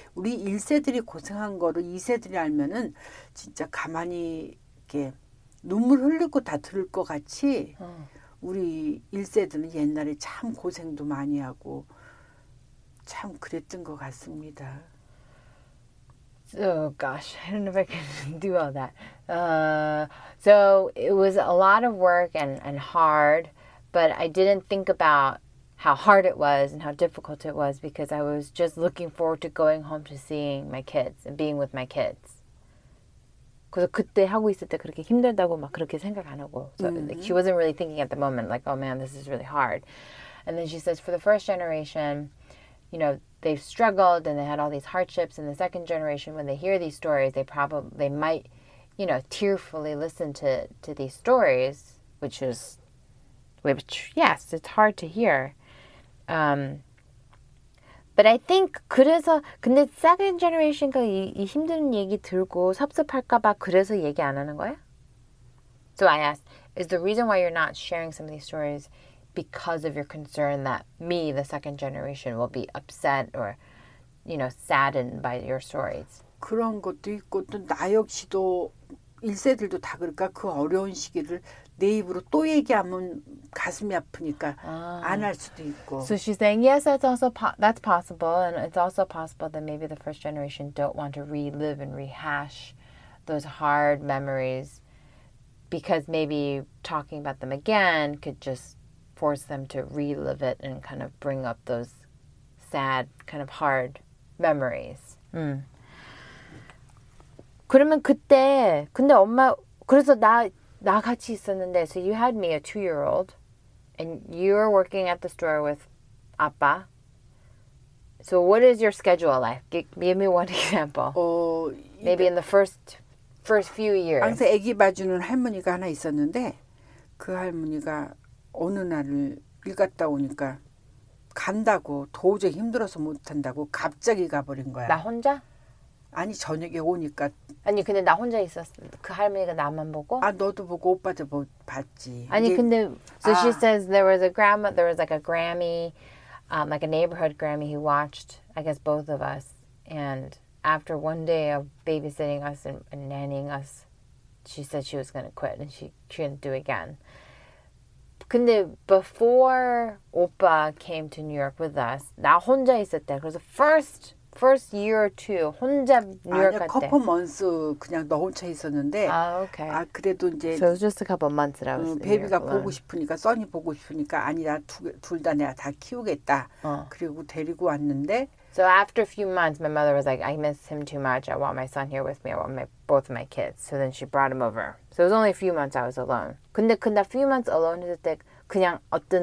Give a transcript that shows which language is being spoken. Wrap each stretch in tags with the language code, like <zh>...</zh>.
<ko>우리 1세들이 고생한 거를 2세들이 알면은 진짜 가만히 이렇게 눈물 흘리고 다 들을 것 같이 우리 1세들은 옛날에 참 고생도 많이 하고 참 그랬던 것 같습니다.</ko> <en>Oh gosh, I don't know if I can do all that. So it was a lot of work and hard, but I didn't think about how hard it was and how difficult it was because I was just looking forward to going home to seeing my kids and being with my kids.</en> <ko>그래서 그때 하고 있을 때 그렇게 힘들다고 막 그렇게 생각 안 하고.</ko> <en>So, mm-hmm. She wasn't really thinking at the moment, like, oh man, this is really hard. And then she says, for the first generation, you know, they've struggled and they had all these hardships. And the second generation, when they hear these stories, they might, you know, tearfully listen to these stories, which, yes, it's hard to hear. But I think</en> <ko>그래서 근데 second generation가 이 힘든 얘기 들고 섭섭할까봐 그래서 얘기 안 하는 거야?</ko> <en>So I asked, is the reason why you're not sharing some of these stories because of your concern that me, the second generation, will be upset or, you know, saddened by your stories?</en> <ko>그런 것도 있고 또 나 역시도 1세들도 다 그럴까 그 어려운 시기를 내 입으로 또 얘기하면 가슴이 아프니까 안 할 수도 있고.</ko> <en>So she's saying yes, that's also that's possible, and it's also possible that maybe the first generation don't want to relive and rehash those hard memories because maybe talking about them again could just force them to relive it and kind of bring up those sad kind of hard memories.</en> <ko>그러면 그때 근데 엄마 그래서 나 같이 있었는데</ko> <en>so you had me a 2-year-old and you're working at the store with 아빠 so what is your schedule like give me one example maybe in the first few years</en> <ko>항상 아기 봐주는 할머니가 하나 있었는데 그 할머니가 어느 날을 일 갔다 오니까 간다고 도저히 힘들어서 못 한다고 갑자기 가버린 거야 나 혼자 아니 저녁에 오니까 아니 근데 나 혼자 있었어 그 할머니가 나만 보고 아 너도 보고 오빠도 봤지 아니 이게, 근데 so 아.</ko> <en>she says there was a grandma there was like a Grammy like a neighborhood Grammy who watched I guess both of us and after one day of babysitting us and nannying us she said she was gonna quit and she couldn't do again 근데 before 오빠 came to New York with us</en> <ko>나 혼자 있었대 그래서</ko> <en>first year or two</en> <ko>혼자 뉴욕 갔대. 아니,</ko> <en>couple months</en> <ko>그냥 너 혼자 있었는데. 아, okay. 아, 그래도 이제</ko> <en>So it was just a couple months that I was</en> <ko>베이비가 보고 싶으니까 써니 보고 싶으니까 아니다. 둘 다 내가 다 키우겠다. 그리고 데리고 왔는데</ko> <en>So after a few months my mother was like I miss him too much. I want my son here with me. I want both of my kids. So then she brought him over. So it was only a few months I was alone.</en> <ko>근데 그 나</ko> <en>few months alone</en> <ko>했을 때 그냥 어떤</ko>